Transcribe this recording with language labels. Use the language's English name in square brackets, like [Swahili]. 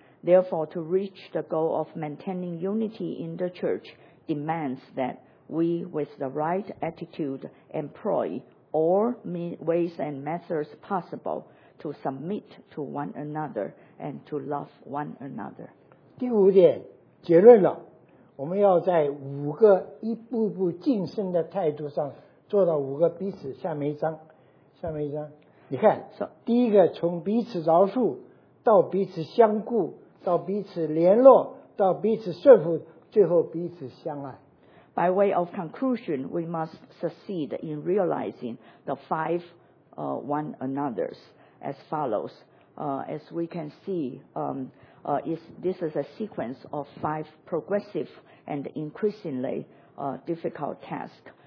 [English] Therefore, to reach the goal of maintaining unity in the church demands that we, with the right attitude, employ all ways and methods possible to submit to one another and to love one another. [Chinese] 第五点, 结论了，我们要在五个一步步晋升的态度上做到五个彼此。下面一章，下面一章，你看，第一个从彼此饶恕到彼此相顾，到彼此联络，到彼此顺服，最后彼此相爱。 [English] By way of conclusion, we must succeed in realizing the five one another's as follows. As we can see, this is a sequence of five progressive and increasingly difficult tasks.